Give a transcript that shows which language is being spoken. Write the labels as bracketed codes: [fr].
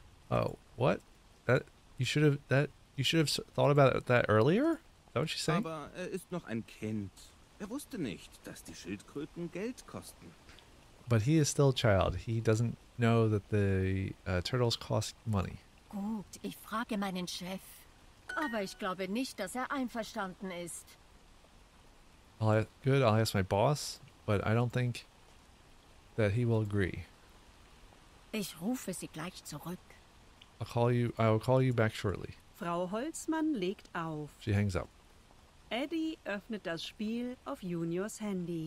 [en] Oh, what? You should have thought about that earlier? Is that what she's saying? [de] Aber er ist noch ein Kind. Er wusste nicht, dass die Schildkröten Geld kosten. [en] But he is still a child. He doesn't know that the turtles cost money. [de] Gut, ich frage meinen Chef. Aber ich glaube nicht, dass er einverstanden ist. [en] Good, I'll ask my boss, but I don't think that he will agree. [de] Ich rufe Sie gleich zurück. [en] I will call you back shortly. [de] Frau Holzmann legt auf. [en] She hangs up. [de] Eddie öffnet das Spiel auf Juniors Handy.